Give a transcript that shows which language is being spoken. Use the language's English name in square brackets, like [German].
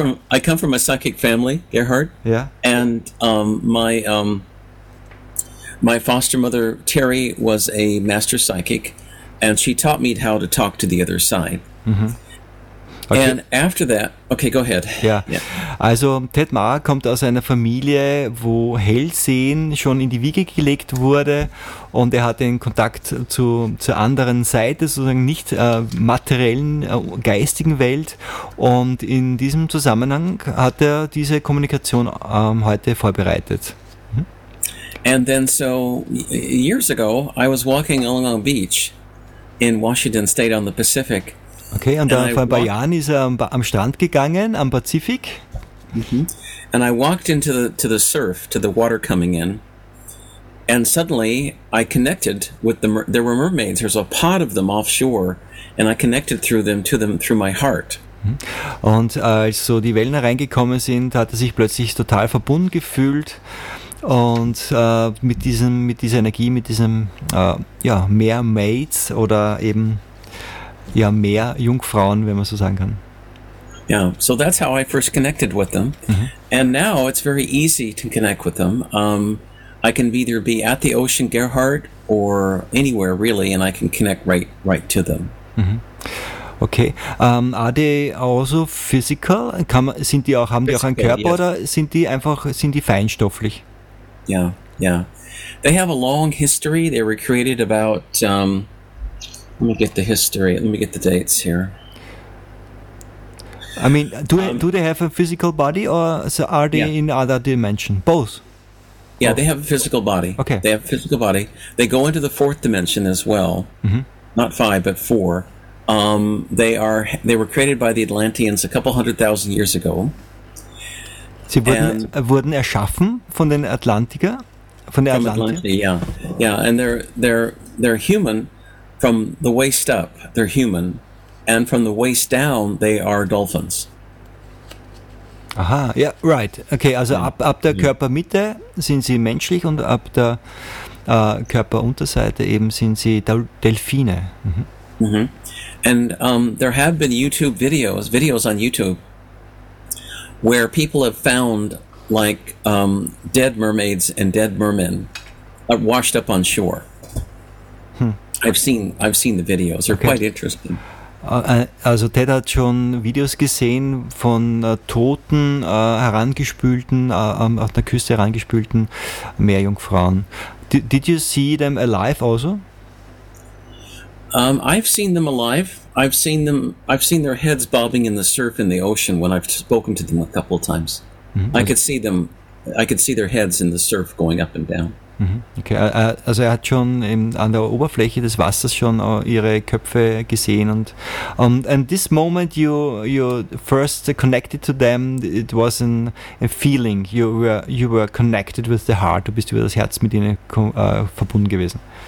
[English] I come from a psychic family, Gerhard. Yeah. And my foster mother, Terry, was a master psychic, and she taught me how to talk to the other side. Mhm. Okay. And after that, okay, go ahead. [German] Ja. Also Ted Ma kommt aus einer Familie, wo Hellsehen schon in die Wiege gelegt wurde, und er hat den Kontakt zur anderen Seite, sozusagen nicht materiellen, geistigen Welt. Und in diesem Zusammenhang hat er diese Kommunikation heute vorbereitet. Mhm. [English] And then so years ago, I was walking along a beach in Washington State on the Pacific. [German] Okay, und dann vor ein paar Jahren ist er am Strand gegangen, am Pazifik. Mm-hmm. [English] And I walked into the surf, to the water coming in. And suddenly I connected with the there were mermaids. There's a pod of them offshore, and I connected to them through my heart. [German] Und als so die Wellen reingekommen sind, hat er sich plötzlich total verbunden gefühlt. Und mit dieser Energie, mit diesem Mermaids oder eben ja, mehr Jungfrauen, wenn man so sagen kann. [English] Yeah, so that's how I first connected with them. Mm-hmm. And now it's very easy to connect with them. I can either be at the ocean, Gerhard, or anywhere really, and I can connect right to them. Mm-hmm. Okay. Are they also physical? [German] Sind die feinstofflich? [English] Yeah. They have a long history. They were created about, let me get the dates here. I mean, do they have a physical body or are they in other dimension? Both. Yeah, they have a physical body. Okay. They have a physical body. They go into the fourth dimension as well. Mm-hmm. Not five, but four. They were created by the Atlanteans a couple hundred thousand years ago. [German] Sie wurden erschaffen von den Atlantikern? [English] Yeah. And they're human from the waist up. They're human. And from the waist down, they are dolphins. [German] Aha, ja, [English] yeah, right. [German] Okay, also ab der Körpermitte sind sie menschlich und ab der Körperunterseite eben sind sie Delfine. Mhm. Mm-hmm. [English] And there have been YouTube videos on YouTube, where people have found like dead mermaids and dead mermen washed up on shore. Hm. I've seen the videos. They're quite interesting. [German] Also Ted hat schon Videos gesehen von toten, herangespülten, auf der Küste herangespülten Meerjungfrauen. [English] Did you see them alive also? I've seen them alive. I've seen their heads bobbing in the surf in the ocean when I've spoken to them a couple of times. Mm-hmm. I could see their heads in the surf going up and down. [German] Okay, also er hat schon an der Oberfläche des Wassers schon ihre Köpfe gesehen und [English] this moment you first connected to them, it was a feeling, you were connected with the heart, [German] du bist über das Herz mit ihnen verbunden gewesen.